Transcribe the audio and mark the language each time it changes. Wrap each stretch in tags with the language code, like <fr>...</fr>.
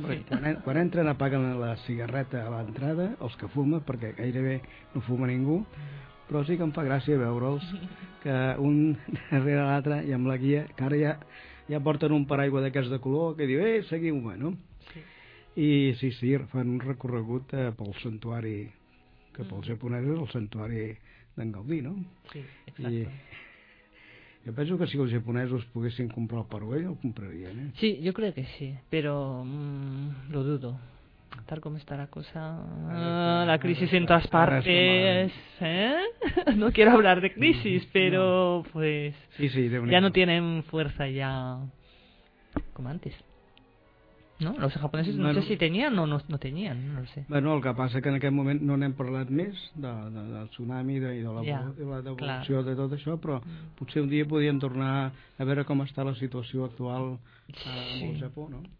<es>Porque cuando entran apaguen la cigarreta a la entrada, los que fumen, porque</es> <ca>gairebé no fuma ningú. Però sí que em fa gràcia veure'ls, que un darrere l'altre i amb la guia, que ara ja porten un paraigua d'aquests de color, que diu, seguiu-me, no? Sí. I sí, sí, fan un recorregut pel santuari, que pels japonesos el santuari d'en Gaudí, no? Sí, exacte. Jo penso que si els japonesos poguessin comprar el Parc Güell, el comprarien, eh? Sí, jo crec que sí, però</ca> <es>lo dudo.</es> <ca>Tal com està la cosa,</ca> <es>la crisi en totes partes, no quiero hablar de crisi, però pues ja no tienen fuerza ya como antes, ¿no? Los japoneses no sé si tenían o no tenían, no lo sé.</es> <ca>Bueno, el que passa que en aquest moment no n'hem parlat més del tsunami i de la devolució de tot això, però potser un dia podríem tornar a veure com està la situació actual al Japó, no?</ca>